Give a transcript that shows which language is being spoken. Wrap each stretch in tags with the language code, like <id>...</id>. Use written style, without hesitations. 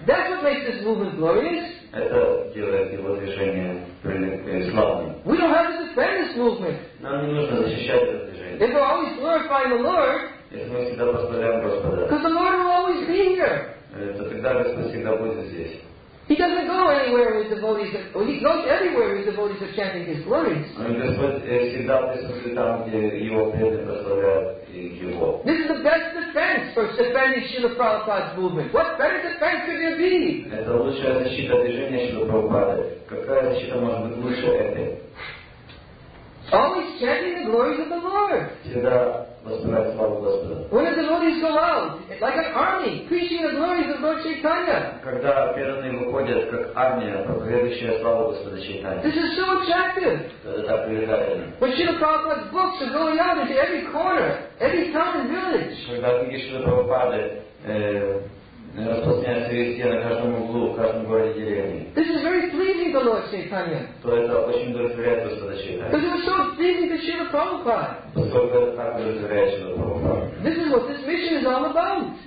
<en>That's what makes this movement glorious.</en> <ru>Это делает его движение славным.</ru> <en>We don't have to defend this movement.</en> <ru>Нам не нужно защищать это движение.</ru> <en>If we're always glorifying the Lord.</en> <ru>Если мы всегда прославляем Господа.</ru> <en>Because the Lord will always be here.</en> <ru>То тогда Господь всегда будет здесь.</ru> <en>He doesn't go anywhere where his devotees are. Well, he goes everywhere where his devotees are chanting his glories.</en> <ru>Господь всегда присутствует там, где его преданные прославляют его.</ru> <en>This is the best defense for defending Srila Prabhupada's movement. What better defense could there be?</en> <ru>Это лучшая защита движения Шрилы Прабхупады. Какая защита может быть лучше этой?</ru> <en>Always chanting the glories of the Lord. When the devotees go out, like an army, preaching the glories of Lord Chaitanya.</en> <ru>Когда преданные выходят как армия, проповедующая славу Господа Чайтанья.</ru> <en>This is so attractive. When Srila Prabhupada's books are going out into every corner, every town and village.</en> <ru>Когда книги Шрилы Прабхупады распространяются везде, на каждом углу, в каждом городе деревне.</ru> <en>This is very pleasing to Lord Chaitanya.</en> <ru>То это очень удовлетворяет Господа Чайтанья.</ru> <en>Because it was so pleasing to Srila Prabhupada. This is what this mission is all about.</en>